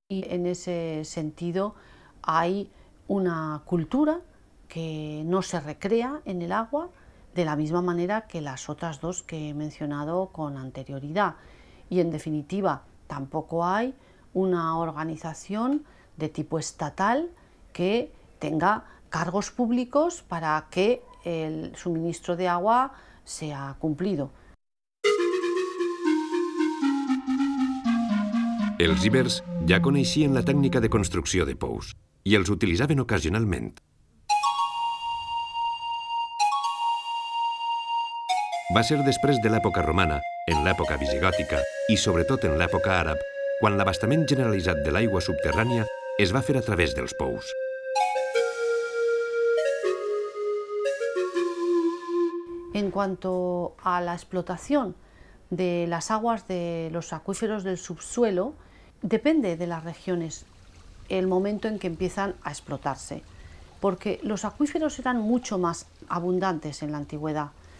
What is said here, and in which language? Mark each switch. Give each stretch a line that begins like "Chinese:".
Spanish: Y en ese sentido hay una cultura que no se recrea en el agua de la misma manera que las otras dos que he mencionado con anterioridad. Y en definitiva, tampoco hay una organización de tipo estatal que tenga cargos públicos para que el suministro de agua sea cumplido.
Catalan: Els ibers ja coneixien la tècnica de construcció de pous i els utilitzaven ocasionalment. Va ser després de l'època romana, en l'època visigòtica i sobretot en l'època àrab, quan l'abastament generalitzat de l'aigua subterrània es va fer a través dels pous.
Spanish: En cuanto a la explotación de las aguas de los acuíferos del subsuelo, depende de las regiones el momento en que empiezan a explotarse, porque los acuíferos eran mucho más abundantes en la antigüedad.